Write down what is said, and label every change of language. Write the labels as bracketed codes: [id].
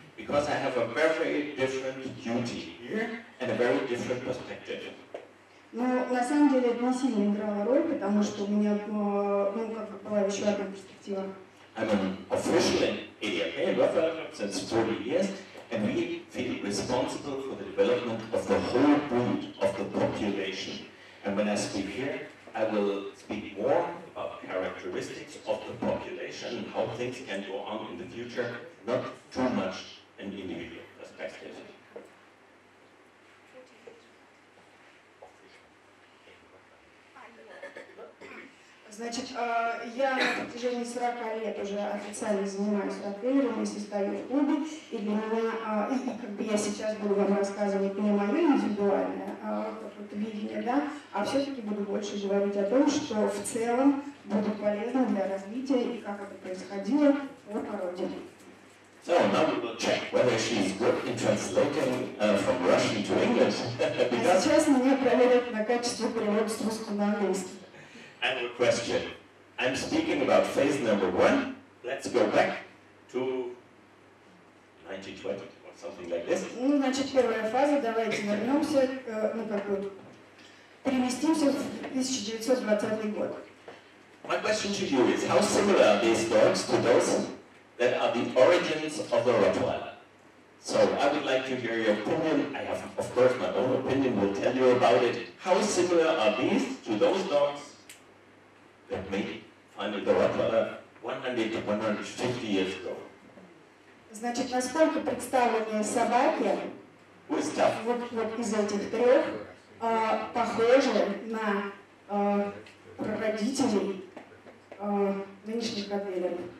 [en] Because I have a very different duty here and a very different perspective. [ru] Ну, на самом деле, это не сильно играло роль, потому что у меня, ну, как была еще одна перспектива. [en] I'm an official in ADFA Rotter since 40 years, and we feel responsible for the development of the whole breed of the population. And when I speak here, I will speak more about characteristics of the population and how things can go on in the future, not too much an individual perspective. [ru] Значит, я на протяжении 40 лет уже официально занимаюсь ротвейлером и состою в клубе, и для меня, и как бы я сейчас буду вам рассказывать не мое индивидуальное видение, да, а все-таки буду больше говорить о том, что в целом будет полезно для развития и как это происходило в породе. [en] So, now we will check whether she is good in translating from Russian to English. [ru] А сейчас меня проверят на качество перевода с русского на английский. [en] I have a question. I'm speaking about phase number one. Let's go back to 1920 or something like this. [ru] Ну, значит, первая фаза. Давайте вернемся, ну как вот, переместимся в 1920 год. [en] My question to you is: how similar are these dogs to those that are the origins of the Rottweiler? So I would like to hear your opinion. I have, of course, my own opinion. Will tell you about it. How similar are these to those dogs that made finally the Rottweiler 100 to 150 years ago? [ru] Значит, насколько представление собаки вот, вот из этих трех похоже на прародителей нынешних Rottweiler?